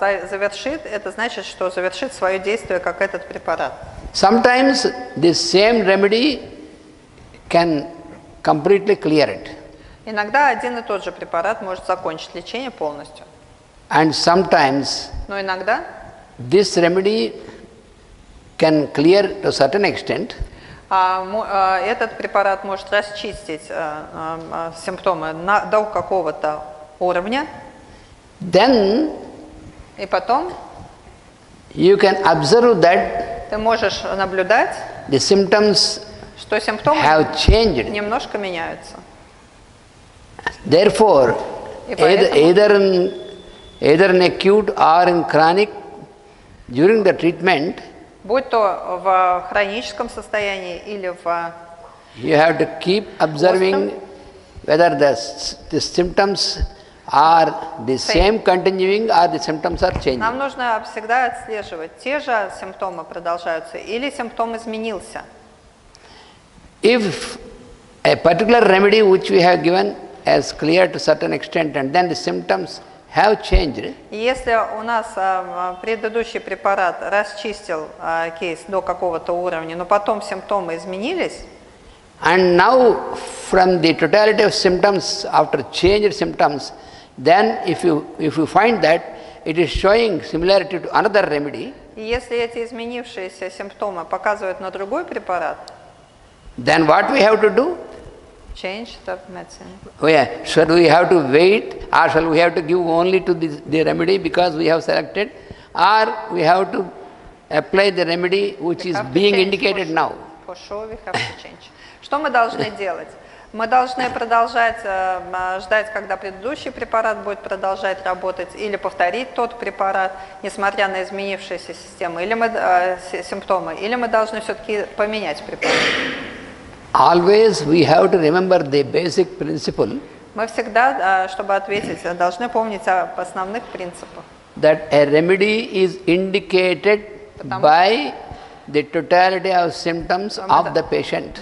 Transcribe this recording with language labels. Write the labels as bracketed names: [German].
[Russian] Завершит, это значит, что завершит свое действие, как этот препарат. [English] Sometimes this same remedy can completely clear it. [Russian] Иногда один и тот же препарат может закончить лечение полностью. [English] And sometimes, [Russian] но иногда, [English] this remedy can clear to a certain extent. [Russian] Этот препарат может расчистить симптомы до какого-то уровня. [English] Then, [Russian] и потом, [English] you can observe that [Russian] ты можешь наблюдать, [English] the symptoms, [Russian] что симптомы [English] have changed, [Russian] немножко меняются. [English] Therefore, either in acute or in chronic, during the treatment, [Russian] будь то в хроническом состоянии или в [English] you have to keep observing [Russian] острым, [English] whether the symptoms are the same continuing or the symptoms are changing. [Russian] Нам нужно всегда отслеживать, те же симптомы продолжаются или симптом изменился. [English] If a particular remedy which we have given has cleared to certain extent and then the symptoms have changed. [Russian] Если у нас предыдущий препарат расчистил кейс до какого-то уровня, но потом симптомы изменились. [English] And now from the totality of symptoms after changed symptoms, then if you find that it is showing similarity to another remedy. [Russian] Если эти изменившиеся симптомы показывают на другой препарат. [English] Then what we have to do? Change the medicine. Oh yeah. Should we have to wait, or shall we have to give only to the remedy because we have selected, or we have to apply the remedy which we is being indicated now? For sure, we have to change. [Russian] Что мы должны делать? Мы должны продолжать ждать, когда предыдущий препарат будет продолжать работать, или повторить тот препарат, несмотря на изменившиеся системы, или мы симптомы, или мы должны все-таки поменять препарат. [English] Always we have to remember the basic principle. [Russian] Мы всегда, чтобы ответить, должны помнить об основных принципах. [English] That a remedy is indicated by the totality of symptoms of the patient.